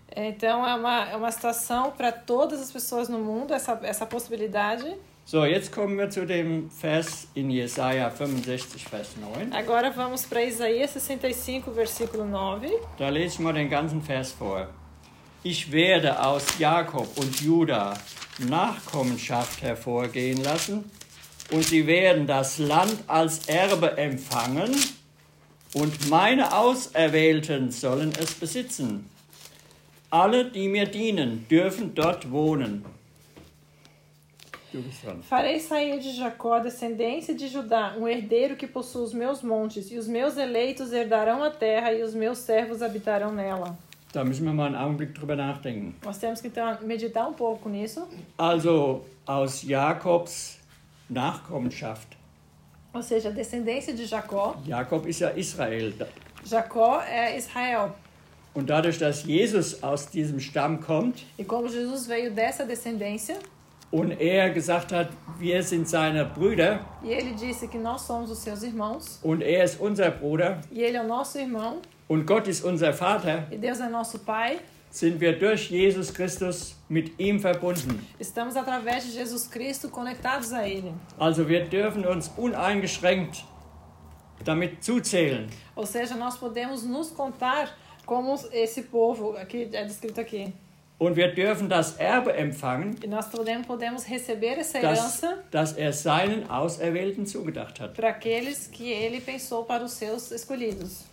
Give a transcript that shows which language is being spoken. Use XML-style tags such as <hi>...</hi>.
<pt>Então é uma situação para todas as pessoas no mundo, essa possibilidade.</pt> <de>So, jetzt kommen wir zu dem Vers in Jesaja 65, Vers 9.</de> <pt>Agora vamos para Isaías 65, versículo 9.</pt> <de>Da lese ich mal den ganzen Vers vor. Ich werde aus Jakob und Juda Nachkommenschaft hervorgehen lassen und sie werden das Land als Erbe empfangen und meine Auserwählten sollen es besitzen. Alle, die mir dienen, dürfen dort wohnen.</de> <pt>Farei sair de Jacó, descendência de Judá, um herdeiro que possua os meus montes, e os meus eleitos herdarão a terra, e os meus servos habitarão nela.</pt> <de>Da müssen wir mal einen Augenblick drüber nachdenken.</de> <pt>Nós temos que meditar um pouco nisso.</pt> <de>Also, aus Jakobs Nachkommenschaft.</de> <pt>Ou seja, descendência de Jacó.</pt> <de>Jakob ist ja Israel.</de> <pt>Jacó é Israel.</pt> <de>Und dadurch, dass Jesus aus diesem Stamm kommt.</de> <pt>E como Jesus veio dessa descendência.</pt> <de>Und er gesagt hat, wir sind seine Brüder.</de> <pt>E ele disse que nós somos os seus irmãos.</pt> <de>Und er ist unser Bruder.</de> <pt>E ele é o nosso irmão.</pt> <de>Und Gott ist unser Vater.</de> <pt>E Deus é nosso Pai.</pt> <de>Sind wir durch Jesus Christus mit ihm verbunden.</de> <pt>Estamos através de Jesus Cristo conectados a ele.</pt> <de>Also wir dürfen uns uneingeschränkt damit zuzählen.</de> <pt>Ou seja, nós podemos nos contar como esse povo aqui é descrito aqui.</pt> <de>Und wir dürfen das Erbe empfangen,</de> <pt>nós podemos receber essa herança,</pt> <de>das er seinen Auserwählten zugedacht hat.</de> <pt>Para aqueles que ele pensou para os seus escolhidos.</pt>